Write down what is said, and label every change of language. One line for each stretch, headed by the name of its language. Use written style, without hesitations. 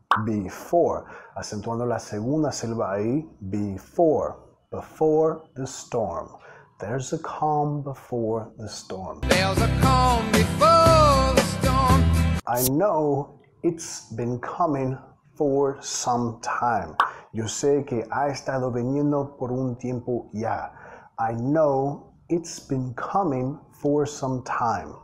Spanish: Before, acentuando la segunda sílaba ahí,
English: before, before the storm. There's a calm before the storm. There's a calm before the storm. I know it's been coming for some time.
Spanish: Yo sé que ha estado viniendo por un tiempo ya.
English: I know it's been coming for some time.